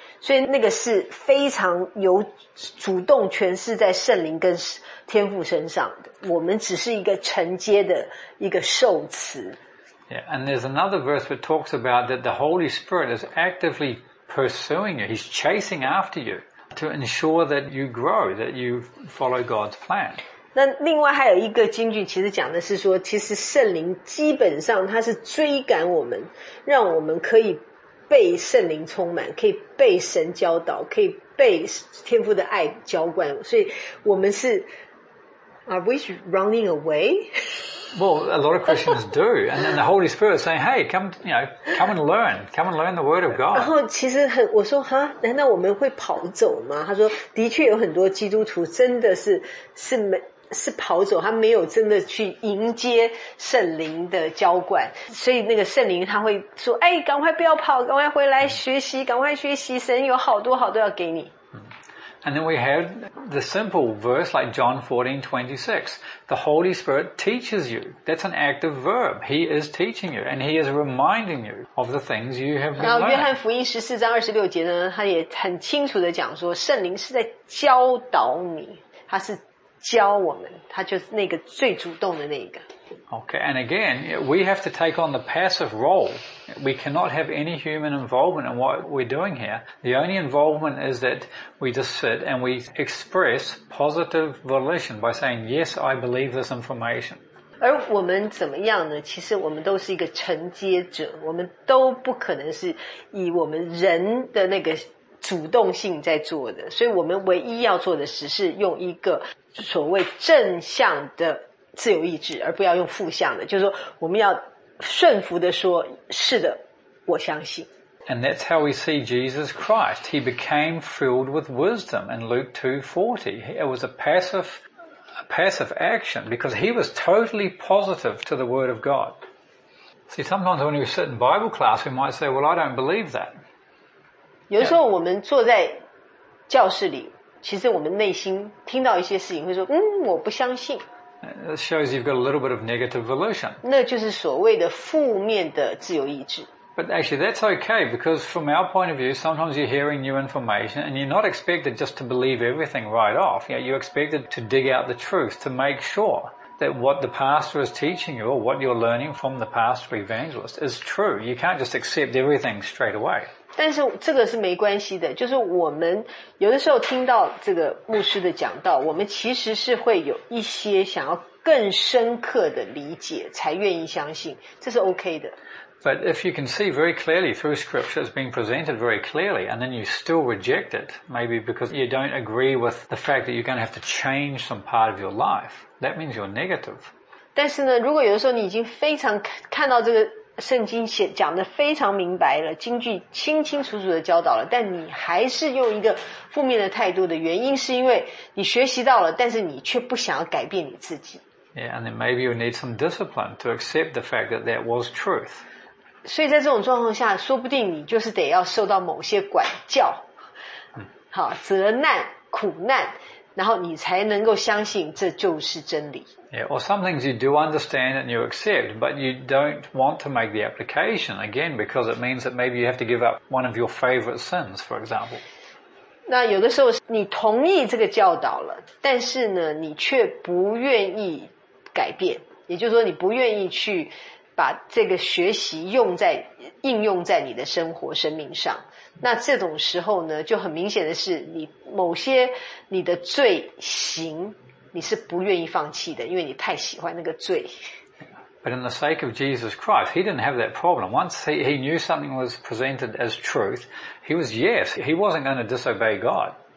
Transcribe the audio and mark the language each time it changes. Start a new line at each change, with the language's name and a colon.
Chinese: 所以那个是非常有主动权是在圣灵跟天父身上的我们只是一个承接的一个受词
English: Yeah, and there's another verse that talks about that the Holy Spirit is actively pursuing you, he's chasing after you to ensure that you grow, that you follow God's plan.
Chinese: 那另外还有一个经句其实讲的是说其实圣灵基本上他是追赶我们让我们可以被圣灵充满可以被神教导可以被天父的爱浇灌所以我们是
English: Are we running away? Well, a lot of Christians do. And then the Holy Spirit is saying, hey, come and learn. Come and learn the word of God.
Chinese: 然后其实很我说哈难道我们会跑走吗他说的确有很多基督徒真的是跑走他没有真的去迎接圣灵的浇灌所以那个圣灵他会说哎，赶快不要跑赶快回来学习赶快学习神有好多好多要给你
English: And then we have the simple verse like John 14:26 The Holy Spirit teaches you That's an active verb He is teaching you And he is reminding you of the things you have been learning
Chinese: 约翰福音14章26节呢他也很清楚的讲说圣灵是在教导你他是教我们他就是那个最主动的那个
English: Okay, and again, we have to take on the passive role. We cannot have any human involvement in what we're doing here. The only involvement is that we just sit and we express positive volition by saying, yes, I believe this information.
Chinese: 而我们怎么样呢其实我们都是一个承接者我们都不可能是以我们人的那个主动性在做的所以我们唯一要做的只是用一个所谓正向的自由意志而不要用负向的就是说我们要顺服的说是的我相信
English: And that's how we see Jesus Christ He became filled with wisdom in Luke 2:40 It was a passive action because he was totally positive to the word of God See sometimes when we sit in Bible class we might say well I don't believe that
Chinese: 有时候我们坐在教室里其实我们内心听到一些事情会说我不相信
English: That shows you've got a little bit of negative volition
Chinese: 那就是所谓的负面的自由意志
English: But actually that's okay because from our point of view sometimes you're hearing new information and you're not expected just to believe everything right off you're expected to dig out the truth to make sure that what the pastor is teaching you or what you're learning from the pastor evangelist is true you can't just accept everything straight away
Chinese: 但是这个是没关系的就是我们有的时候听到这个牧师的讲道我们其实是会有一些想要更深刻的理解才愿意相信这是 OK 的
English: But if you can see very clearly through scripture it's being presented very clearly and then you still reject it maybe because you don't agree with the fact that you're going to have to change some part of your life that means you're negative
Chinese: 但是呢如果有的时候你已经非常看到这个圣经写讲得非常明白了经句清清楚楚的教导了但你还是用一个负面的态度的原因是因为你学习到了但是你却不想要改变你自己
English: Yeah, and then maybe you need some discipline to accept the fact that that was truth
Chinese: 所以在这种状况下说不定你就是得要受到某些管教好责难苦难然后你才能够相信这就是真理
English: Yeah, or some things you do understand and you accept, but you don't want to make the application again because it means that maybe you have to give up one of your favorite sins, for example.
Chinese: 那有的时候你同意这个教导了，但是呢，你却不愿意改变，也就是说，你不愿意去把这个学习用在应用在你的生活生命上。那这种时候呢就很明显的是你某些你的罪行你是不愿意放弃的因为你太喜欢那个罪
English: But in the sake of Jesus Christ, he didn't have that problem. Once he knew something was presented as truth, he was yes, he wasn't going to disobey God.